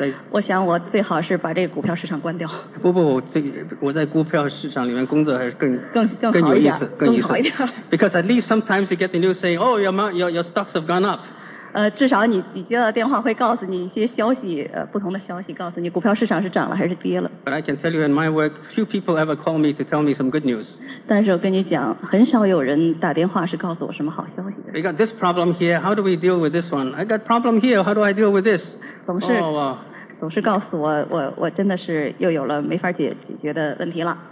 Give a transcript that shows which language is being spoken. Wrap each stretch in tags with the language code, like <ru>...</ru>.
<zh>我想我最好是把这个股票市场关掉。不，我在股票市场里面工作还是更有意思，更有意思。</zh> <en>Because at least sometimes you get the news saying, oh, your stocks have gone up.</en> <zh>至少你接到电话会告诉你一些消息，不同的消息告诉你股票市场是涨了还是跌了。</zh> <en>But I can tell you in my work, few people ever call me to tell me some good news.</en> <zh>但是我跟你讲，很少有人打电话是告诉我什么好消息的。</zh> <en>We got this problem here, how do we deal with this one? I got problem here, how do I deal with this?</en> <zh>总是告诉我真的是又有了没法解决的问题了。</zh>